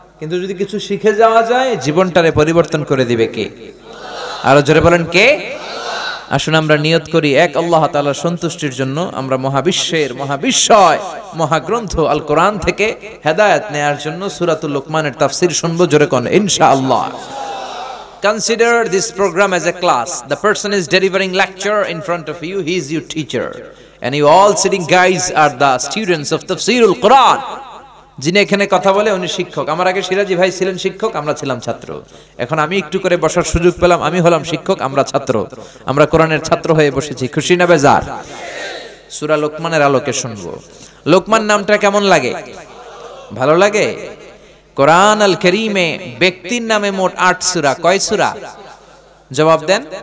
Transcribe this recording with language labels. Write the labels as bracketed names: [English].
[Bangla] কিন্তু যদি কিছু শিখে যাওয়া যায়, জীবনটারে পরিবর্তন করে দিবে কে? আরো জোরে বলেন কে? আসুন আমরা নিয়ত করি এক আল্লাহ তাআলার সন্তুষ্টির জন্য আমরা মহাবিশ্বের মহাবিষয় মহাগ্রন্থ আল কোরআন থেকে হেদায়াত নেয়ার জন্য সূরাতুল লোকমানের তাফসীর শুনবো, জোরে কোন ইনশাআল্লাহ। [English] Consider this program as a class. The person is delivering lecture in front of you. He is your teacher. And you all sitting guys are the students of Tafsirul Quran. [Bangla] যিনি এখানে কথা বলে উনি শিক্ষক। আমার আগে সিরাজি ভাই ছিলেন শিক্ষক, আমরা ছিলাম ছাত্র। এখন আমি একটু করে বসার সুযোগ পেলাম, আমি হলাম শিক্ষক, আমরা ছাত্র। আমরা কোরআনের ছাত্র হয়ে বসেছি, খুশি না বেজার? সূরা লোকমানের আলোকে শুনবো। লোকমান নামটা কেমন লাগে, ভালো লাগে? কোরআন আল করিমে ব্যক্তির নামে মোট 8 সূরা, কয় সূরা জবাব দেন?